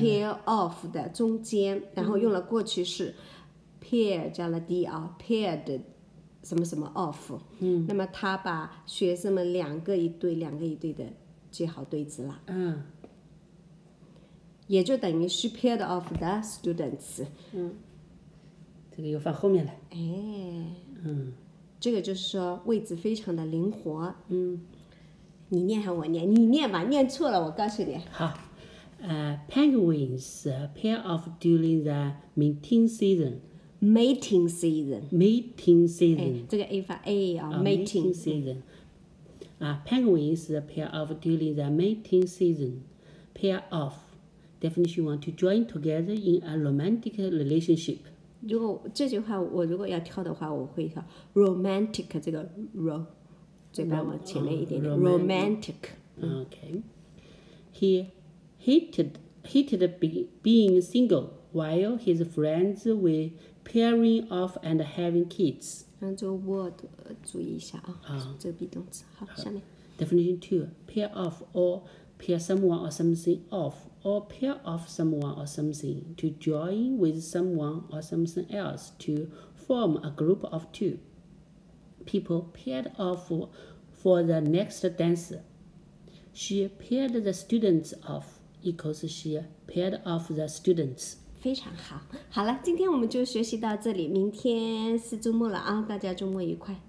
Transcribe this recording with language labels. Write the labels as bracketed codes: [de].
[zh] pair of 的中间，然后用了过去式 pair 加了 d 啊，paired 什么什么 of，那么他把学生们两个一对两个一对的接好对子了，也就等于 [en] she paired off the students。 [zh] 这个又放后面来，这个就是说位置非常的灵活。你念还我念？你念吧，念错了我告诉你。 [en] 好，penguins pair off during the mating season. Mating season. Mating [zh] 哎，这个 A 发 A 啊 [en] ，mating mating。 season. Penguins pair off during the mating season. Pair off. Definition one: to join together in a romantic relationship. [zh] 如果这句话我如果要跳的话，我会跳 romantic 这个 ro。嘴巴往前面一点点，romantic。 [en] Okay. He hated being single. while his friends were pairing off and having kids. [zh] 然后这个 word 注意一下啊，这个 be 动词。好，下面。 [en] Definition two: pair off or pair someone or something off, or pair off someone or something to join with someone or something else to form a group of two. People paired off for the next dance. She paired the students off. Equals she paired off the students. [zh] 非常好，好了，今天我们就学习到这里。明天是周末了啊，大家周末愉快。